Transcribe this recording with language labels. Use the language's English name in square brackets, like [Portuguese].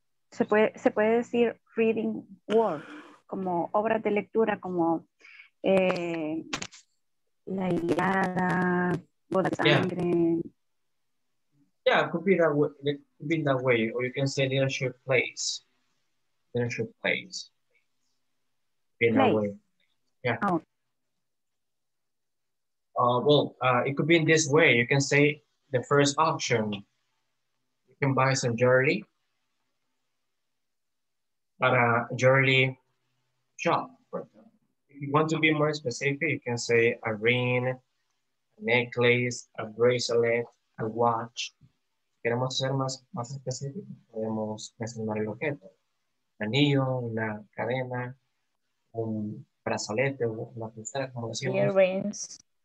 [Spanish] Se puede decir [English] reading word, [Spanish] como obras de lectura, como La Ilíada, Boda de Sangre. [English] Yeah. Yeah, it could be that way, or you can say leadership place. Leadership place. In that way. Yeah. It could be in this way. You can say the first option. You can buy some jewelry at a jewelry shop. If you want to be more specific, you can say a ring, a necklace, a bracelet, a watch. [Spanish] Queremos ser más específicos, podemos mencionar el objeto. Un anillo, una cadena, un brazalete, una pulsera, como decimos.